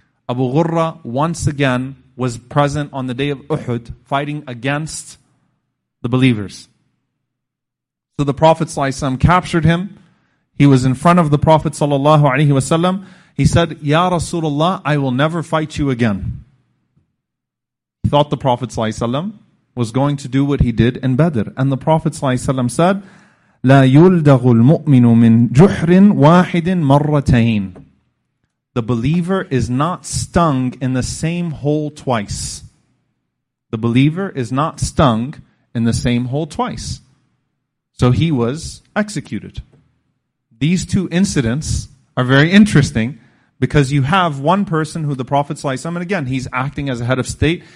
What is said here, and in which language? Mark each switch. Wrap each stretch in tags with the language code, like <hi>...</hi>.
<en>Abu Ghurra once again was present on the day of Uhud, fighting against the believers. So the Prophet sallallahu alaihi wasallam captured him. He was in front of the Prophet sallallahu alaihi wasallam. He said, Ya Rasulullah, I will never fight you again. thought the Prophet ﷺ was going to do what he did in Badr. And the Prophet ﷺ said,</en> <ar>لا يلدغ المؤمن من جحر واحد مرتين.</ar> <en>The believer is not stung in the same hole twice. The believer is not stung in the same hole twice. So he was executed. These two incidents are very interesting because you have one person who the Prophet ﷺ, and again, he's acting as a head of state.</en>